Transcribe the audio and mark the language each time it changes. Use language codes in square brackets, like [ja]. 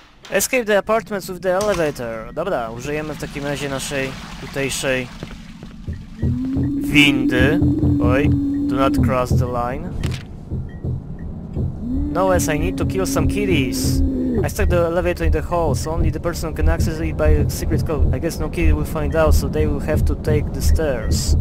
[en] Escape the apartments with the elevator. [pl] Dobra, użyjemy w takim razie naszej tutejszej windy. [en] Oj, do not cross the line. No, as I need to kill some kitties. I stuck the elevator in the hall, so only the person can access it by a secret code. I guess no kid will find out, so they will have to take the stairs.